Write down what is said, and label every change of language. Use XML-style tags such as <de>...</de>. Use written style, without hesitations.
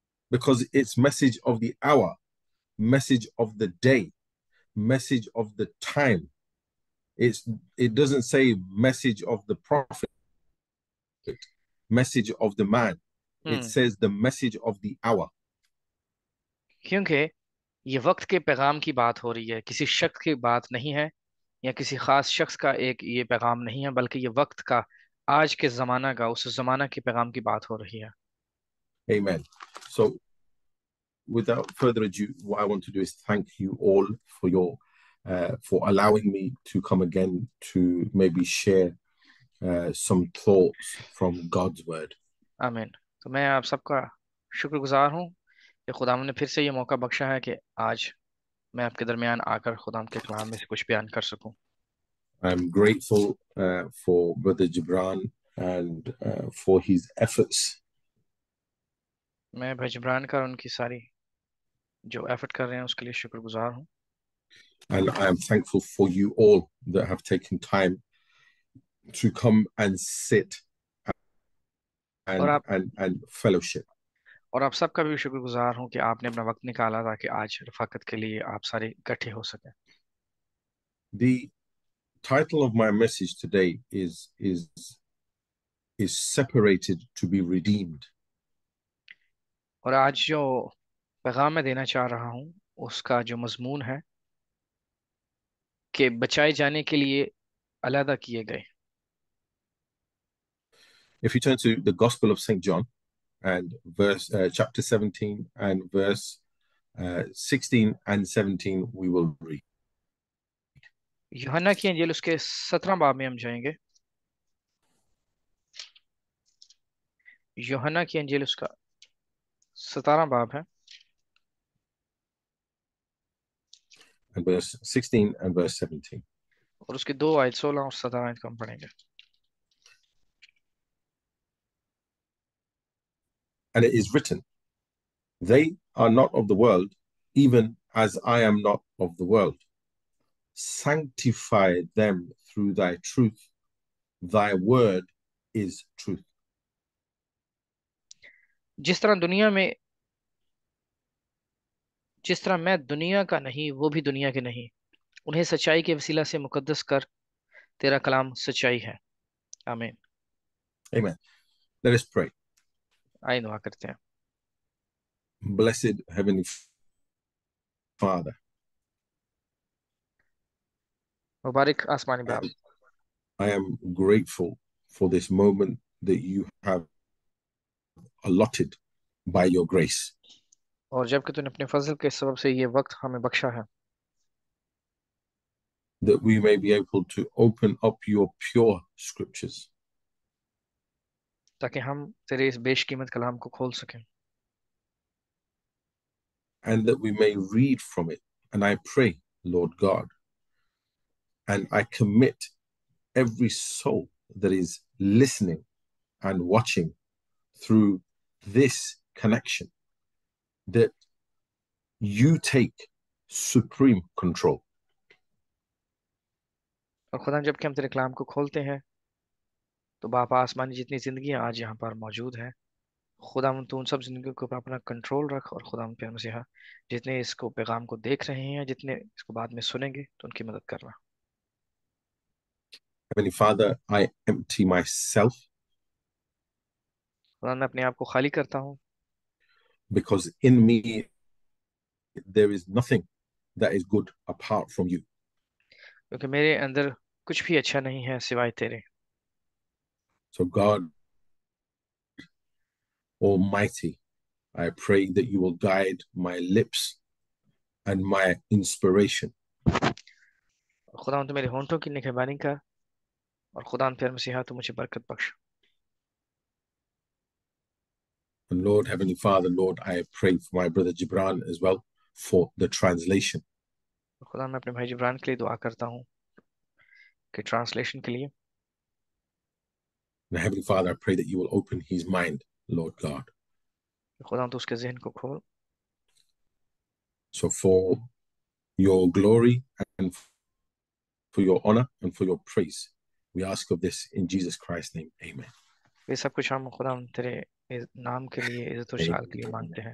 <en>Because it's message of the hour, message of the day, message of the time. It doesn't say message of the prophet, message of the man. It says the message of the hour.</en> <hi>क्योंकि ये वक्त के पैगाम की बात हो रही है, किसी शख्स की बात नहीं है या किसी खास शख्स का एक ये पैगाम नहीं है, बल्कि ये वक्त का, आज के जमाना का, उस जमाना के पैगाम की बात हो रही है।</hi> <en>Amen. So, without further ado, what I want to do is thank you all for your for allowing me to come again to maybe share some thoughts from God's word.</en> <hi>आमीन। तो मैं आप सबका शुक्रगुजार हूँ कि खुदा ने फिर से ये मौका बख्शा है कि आज मैं आपके दरमियान आकर खुदा के कलाम में से कुछ बयान कर सकूँ।</hi> <en>I'm grateful for Brother Jibran and for his efforts.</en> <hi>मैं भाई जबरान का उनकी सारी जो एफर्ट कर रहे हैं उसके लिए शुक्रगुजार हूँ।</hi> <en>And I am thankful for you all that have taken time to come and sit and fellowship.</en> <hi>और आप सबका भी शुक्रगुजार हूँ कि आपने अपना वक्त निकाला ताकि आज रफाकत के लिए आप सारे इकट्ठे हो सकें।</hi> <en>The title of my message today is separated to be redeemed.</en> <hi>और आज जो पैगाम मैं देना चाह रहा हूँ उसका जो मजमून है कि बचाए जाने के लिए अलग किए गए।</hi> <en>If you turn to the Gospel of St. John and verse chapter 17 and verse 16 and 17, we will read.</en> <hi>यूहन्ना की अंजील उसके 17 बाब में हम जाएंगे। यूहन्ना की अंजील उसका 17 बाब है।</hi> <en>And verse 16 and verse 17.</en> <hi>और उसके 2 आयत 16 और 17 आयत को हम पढ़ेंगे।</hi> <en>And it is written, they are not of the world, even as I am not of the world. Sanctify them through thy truth. Thy word is truth.</en> <hi>जिस तरह मैं दुनिया का नहीं वो भी दुनिया के नहीं, उन्हें सच्चाई के वसीला से मुकद्दस कर, तेरा कलाम सच्चाई है। आमीन।</hi> <en>Amen. Let us pray.</en> <hi>आइए दुआ करते हैं।</hi> <en>Blessed Heavenly Father,</en> <hi>मुबारक आसमानी बाप,</hi> <en>I am grateful for this moment that you have allotted by your grace.</en> <hi>और जबकि तूने अपने फजल के सबब से ये वक्त हमें बख्शा है</hi> <en>That we may be able to open up your pure scriptures.</en> <hi>ताकि हम तेरे इस बेशकीमत कलाम को खोल सकें।</hi> <en>And that we may read from it. And I pray, Lord God, and I commit every soul that is listening and watching through this connection that you take supreme control.</en> <hi>और खुदा जबकि हम तेरे कलाम को खोलते हैं तो बाप आसमानी जितनी जिंदगियां आज यहाँ पर मौजूद हैं खुदा तू उन सब जिंदगियों के ऊपर अपना कंट्रोल रख। और खुदा प्यार मसीहा जितने इसको पैगाम को देख रहे हैं या जितने इसको बाद में सुनेंगे तो उनकी मदद करना।</hi> <en>Heavenly Father, I empty myself</en> <hi>खुदा मैं अपने आप को खाली करता हूँ</hi> <en>because in me there is nothing that is good apart from you.</en> <hi>क्योंकि मेरे अंदर कुछ भी अच्छा नहीं है सिवाय तेरे।</hi> <en>So God Almighty, I pray that you will guide my lips and my inspiration.</en> <hi>खुदा तो मेरे होंठों की निगहबानी कर और खुदा प्यार मसीहा तो मुझे बरकत बख्श।</hi> <en>Lord, Heavenly Father, Lord, I pray for my brother Jibran as well for the translation.</en> <hi>खुदा मैं अपने भाई जिब्रान के लिए दुआ करता हूँ कि ट्रांसलेशन के लिए।</hi> <en>Now, Heavenly Father, I pray that you will open his mind, Lord God.</en> <hi>खुदा तो उसके जहन को खोल।</hi> <en>So for your glory and for your honor and for your praise, we ask of this in Jesus Christ's name. Amen.</en> <hi>ये सब कुछ हम खुदा तेरे नाम के लिए इज्जत और शाल के लिए मांगते हैं।</hi>